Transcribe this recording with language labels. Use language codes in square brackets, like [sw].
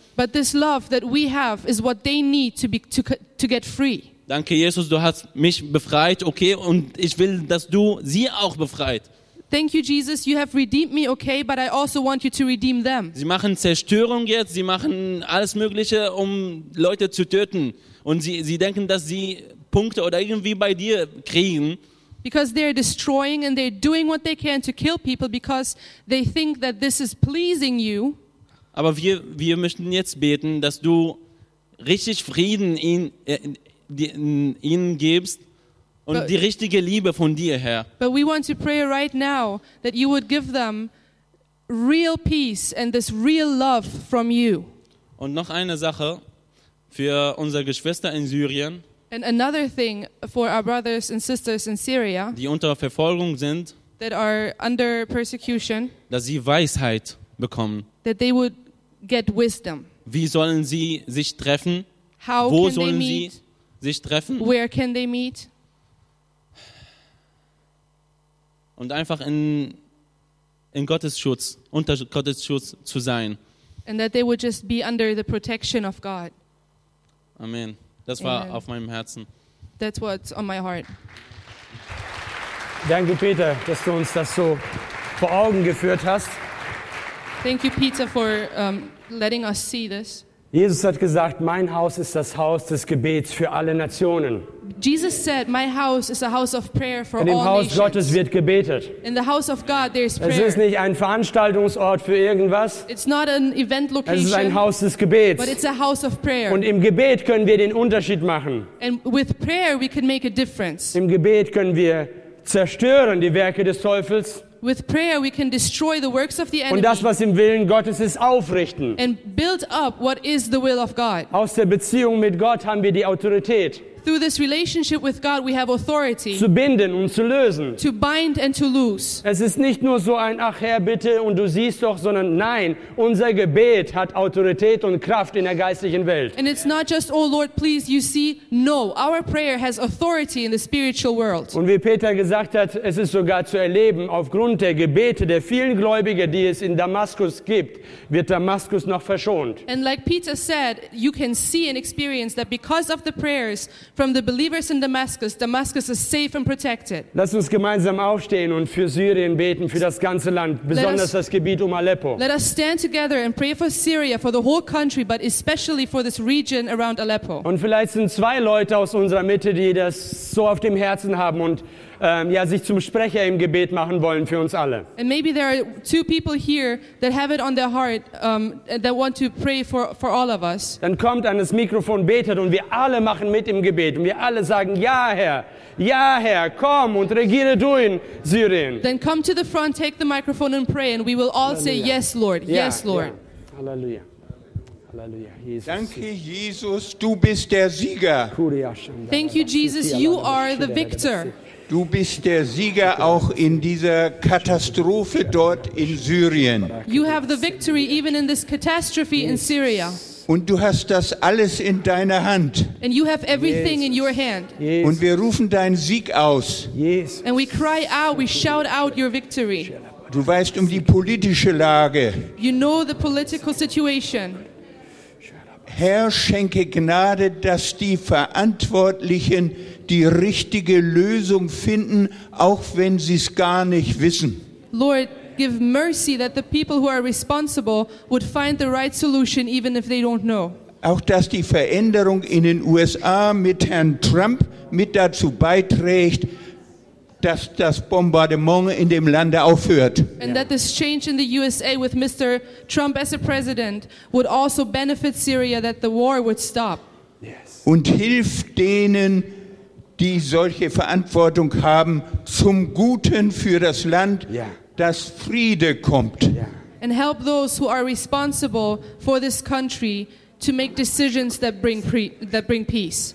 [en] But this love that we have is what they need to get free. [de] Danke Jesus, du hast mich befreit, okay, und ich will, dass du sie auch befreit. [en] Thank you Jesus, you have redeemed me, okay, but I also want you to redeem them. [de] Sie machen Zerstörung jetzt, sie machen alles Mögliche, um Leute zu töten, und sie denken, dass sie Punkte oder irgendwie bei dir kriegen. [en] Because they're destroying and they're doing what they can to kill people because they think that this is pleasing you. [de] Aber wir möchten jetzt beten, dass du richtig Frieden ihnen gibst und [en] but, [de] die richtige Liebe von dir, Herr. [en] But we want to pray right now that you would give them real peace and this real love from you. [de] Und noch eine Sache für unsere Geschwister in Syrien. [en] And another thing for our brothers and sisters in Syria, [de] die unter Verfolgung sind, [en] that are under persecution, [de] dass sie Weisheit bekommen. [en] That they would get wisdom. [de] Wie sollen sie sich treffen? [en] How [de] Wo [en] can [de] sollen [en] they meet? [de] Sie sich treffen? [en] Where can they meet? [de] Und einfach in Gottes Schutz, unter Gottes Schutz zu sein. [en] And that they would just be under the protection of God. [de] Amen. Das war auf meinem Herzen. [en] That's what's on my heart. [de] Danke, Peter, dass du uns das so vor Augen geführt hast. [en] Thank you, Peter, for letting us see this. [de] Jesus hat gesagt, mein Haus ist das Haus des Gebets für alle Nationen. [en] Jesus said, my house is a house of prayer for all nations. [de] In dem Haus [en] nations. [de] Gottes wird gebetet. [en] In the house of God, there is prayer. [de] Es ist nicht ein Veranstaltungsort für irgendwas. [en] It's not an event location. [de] Es ist ein Haus des Gebets. [en] But it's a house of prayer. [de] Und im Gebet können wir den Unterschied machen. [en] And with prayer, we can make a difference. [de] Im Gebet können wir zerstören die Werke des Teufels. [en] With prayer, we can destroy the works of the enemy. [de] Und das, was im Willen Gottes ist, aufrichten. [en] And build up what is the will of God. [de] Aus der Beziehung mit Gott haben wir die Autorität. [en] Through this relationship with God, we have authority. [de] Zu binden und zu lösen. [en] To bind and to loose. [de] Es ist nicht nur so ein Ach Herr, bitte und du siehst doch, sondern nein, unser Gebet hat Autorität und Kraft in der geistlichen Welt. [en] And it's not just, oh Lord, please, you see. No, our prayer has authority in the spiritual world. [de] Und wie Peter gesagt hat, es ist sogar zu erleben, aufgrund der Gebete der vielen Gläubigen, die es in Damaskus gibt, wird Damaskus noch verschont. [en] And like Peter said, you can see and experience that because of the prayers from the believers in Damascus, Damascus is safe and protected. [de] Lass uns gemeinsam aufstehen und für Syrien beten, für das ganze Land, besonders das Gebiet Aleppo. [en] Let us stand together and pray for Syria, for the whole country, but especially for this region around Aleppo. [de] Und vielleicht sind zwei Leute aus unserer Mitte, die das so auf dem Herzen haben und sich zum Sprecher im Gebet machen wollen für uns alle. [en] And maybe there are two people here that have it on their heart that want to pray for all of us. [de] Dann kommt an das Mikrofon, betet und wir alle machen mit im Gebet und wir alle sagen, ja Herr, komm und regiere du in Syrien. [en] Then come to the front, take the microphone and pray and we will all Halleluja. Say, yes Lord, [de] ja, [en] yes Lord. [de] Ja. Halleluja. Halleluja. Jesus. Danke Jesus, du bist der Sieger. [en] Thank you Jesus, you are the victor. [de] Du bist der Sieger auch in dieser Katastrophe dort in Syrien. [en] You have the victory even in this catastrophe in Syria. [de] Und du hast das alles in deiner Hand. [en] And you have everything in your hand. [de] Und wir rufen deinen Sieg aus. [en] And we cry out, we shout out your victory. [de] Du weißt um die politische Lage. [en] You know the political situation. [de] Herr, schenke Gnade, dass die Verantwortlichen die richtige Lösung finden, auch wenn sie es gar nicht wissen. [en] Lord, give mercy that the people who are responsible would find the right solution, even if they don't know. [de] Auch dass die Veränderung in den USA mit Herrn Trump mit dazu beiträgt, dass das Bombardement in dem Lande aufhört. [en] And that this change in the USA with Mr. Trump as a president would also benefit Syria, that the war would stop. Yes. [de] Und hilf denen, die solche Verantwortung haben, zum Guten für das Land, dass Friede kommt. [en] And help those who are responsible for this country to make decisions that bring peace.